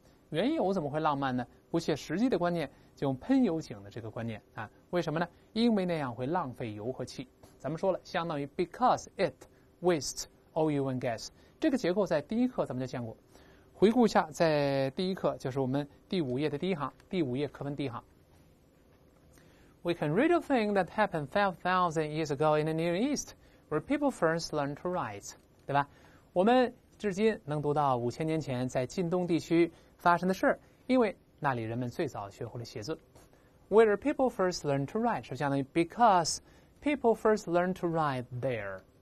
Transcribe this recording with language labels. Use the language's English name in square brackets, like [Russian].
[Chinese] 原油怎么会浪漫呢？不切实际的观念就用喷油井的这个观念啊。为什么呢？因为那样会浪费油和气。咱们说了，相当于 [English] because it wastes all you and gas， [Chinese] 这个结构在第一课咱们就见过。回顾一下，在第一课，就是我们第五页的第一行，第五页课文第一行。 [English] We can read a thing that happened 5,000 years ago in the Near East, where people first learned to write, [Chinese] 对吧？我们至今能读到5000年前在近东地区发生的事，因为那里人们最早学会了写字。 [English] Where people first learned to write [Chinese] 是相当于 [English] because people first learned to write there.